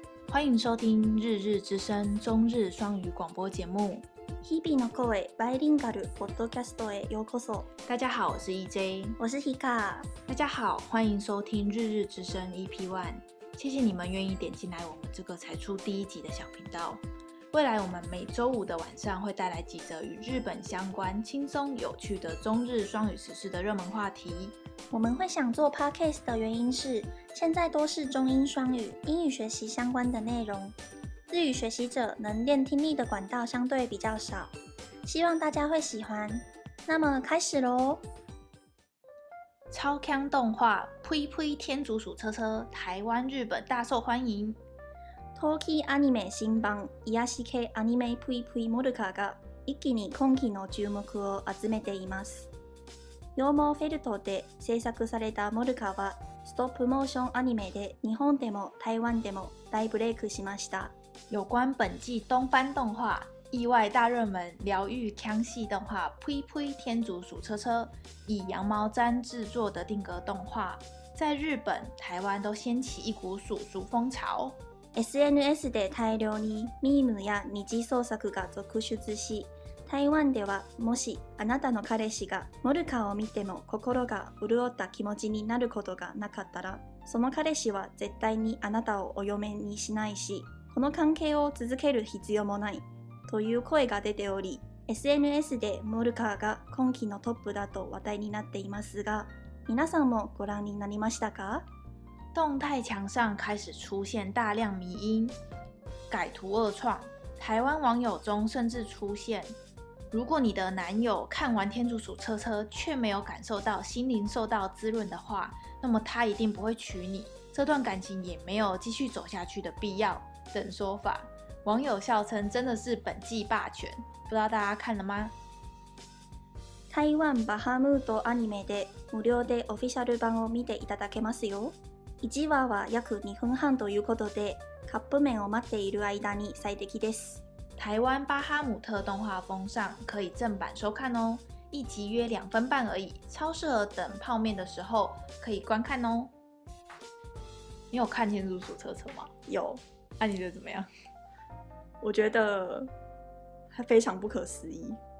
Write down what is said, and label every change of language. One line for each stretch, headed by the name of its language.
Chinese: 欢迎收听日日之声中日双语广播节目。
Japanese: 日々の声バイリンガルポッドキャストへようこそ。
Chinese: 大家好，我是 EJ，我是 Hika。大家好，欢迎收听日日之声 EP One。谢谢你们愿意点进来我们这个才出第一集的小频道。未来我们每周五的晚上会带来几则与日本相关、轻松有趣的中日双语时事的热门话题。我们会想做 podcast 的原因是，现在多是中英双语、英语学习相关的内容，日语学习者能练听力的管道相对比较少，希望大家会喜欢。那么开始咯。超强动画《呸呸天竺鼠车车》台湾日本大受欢迎。
Japanese: 東京アニメ新版癒し系アニメぷいぷいモルカーが一気に今期の注目を集めています。羊毛フェルトで制作されたモルカーはストップモーションアニメで日本でも台湾でも大ブレイクしました。
Chinese: 有关本季东番动画意外大热门疗愈腔系动画ぷいぷい天竺鼠车车，以羊毛毡制作的定格动画，在日本台湾都掀起一股鼠鼠风潮。
Japanese: SNS で大量にミームや二次創作が続出し、台湾ではもしあなたの彼氏がモルカーを見ても心が潤った気持ちになることがなかったら、その彼氏は絶対にあなたをお嫁にしないし、この関係を続ける必要もないという声が出ており、SNS でモルカーが今期のトップだと話題になっていますが、皆さんもご覧になりましたか？
Chinese: 动态墙上开始出现大量迷因，改图恶创，台湾网友中甚至出现，如果你的男友看完天竺鼠车车却没有感受到心灵受到滋润的话，那么他一定不会娶你，这段感情也没有继续走下去的必要等说法。网友笑称真的是本季霸权，不知道大家看了吗？
Japanese: 台湾バハムートアニメで無料でオフィシャル版を見ていただけますよ。 1話は約2分半ということで、カップ麺を待っている間に最適です。
Chinese: 台湾巴哈姆特動画風上可以正版收看哦。一集約2分半而已、超適合等泡麵的時候可以觀看哦。你有看天竺鼠車車嗎？有。那、啊、你覺得怎麼樣？我覺得它非常不可思議。